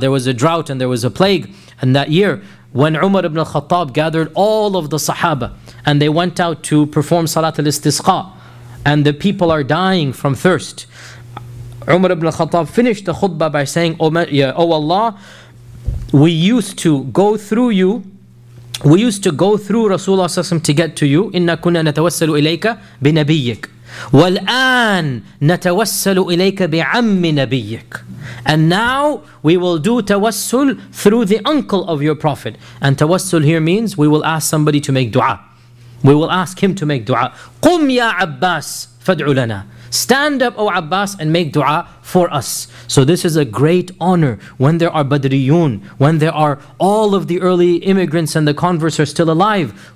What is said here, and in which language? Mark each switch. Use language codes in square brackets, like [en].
[en] There was a drought and there was a plague in that year. When Umar ibn al-Khattab gathered all of the Sahaba and they went out to perform Salat al-Istisqa and the people are dying from thirst, Umar ibn al-Khattab finished the khutbah by saying, Oh Allah, we used to go through you, we used to go through Rasulullah to get to you, [ar] إِنَّا كُنَّا نَتَوَسَّلُ إِلَيْكَ بِنَبِيِّكَ. والآن نتوسل إليك بعم نبيك. [en] And now we will do tawassul through the uncle of your prophet. And tawassul here means we will ask somebody to make dua. We will ask him to make dua. [ar] قُمْ يَا عَبَّاسِ فَادْعُ لَنَا. [en] Stand up, O Abbas, and make dua for us. So this is a great honor when there are Badriyun, when there are all of the early immigrants and the converts are still alive.